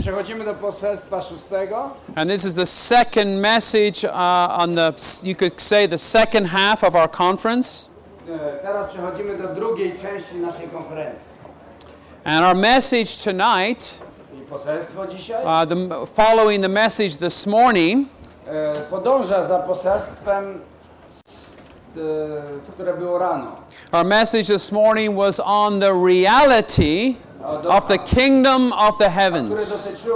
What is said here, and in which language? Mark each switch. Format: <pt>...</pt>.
<pl>Przechodzimy do poselstwa szóstego.</pl> <en>And this is the second message on the, you could say, the second half of our conference.</en> <pl>Teraz przechodzimy do drugiej części naszej konferencji.</pl> <en>And our message tonight,</en> <pl>I poselstwo dzisiaj,</pl> <en>following the message this morning,</en> <pl>podąża za poselstwem, które było rano.</pl> <en>Our message this morning was on the reality of the kingdom of the heavens.</en>